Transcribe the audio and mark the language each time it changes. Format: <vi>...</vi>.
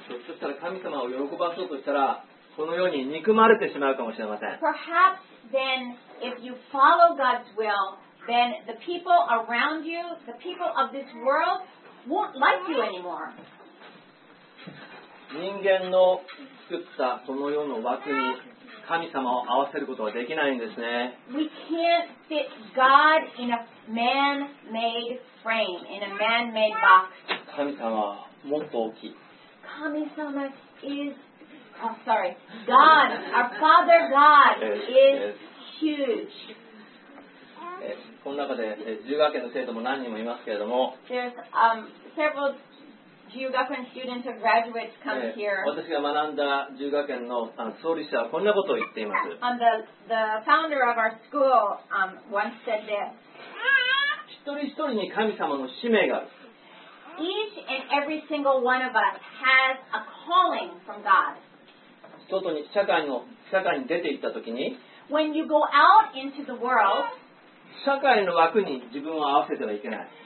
<ja>そしたら神様を喜ばそうとしたらこの世に憎まれてしまうかもしれません。</ja> <en>Perhaps then, if you follow God's will, then the people around you, the people of this world, won't like you anymore.</en> <ja>人間の作ったこの世の枠に神様を合わせることはできないんですね。</ja> <en>We can't fit God in a man-made frame, in a man-made box.</en> <ja>神様はもっと大きい。</ja> <en>神様 is, oh sorry, God, our Father God is huge.</en> <ja>この中で自由学園の生徒も何人もいますけれども。</ja> <en>There's several自由学園 students or graduates come here.</en> <ja>私が学んだ自由学園の創立者はこんなことを言っています。</ja> <en>The founder of our school once said this.</en> <ja>一人一人に神様の使命がある。</ja> <en>Each and every single one of us has a calling from God.</en> <ja>外に社会に出て行った時に、</ja> <en>When you go out into the world,</en> <ja>社会の枠に自分を合わせてはいけない。</ja>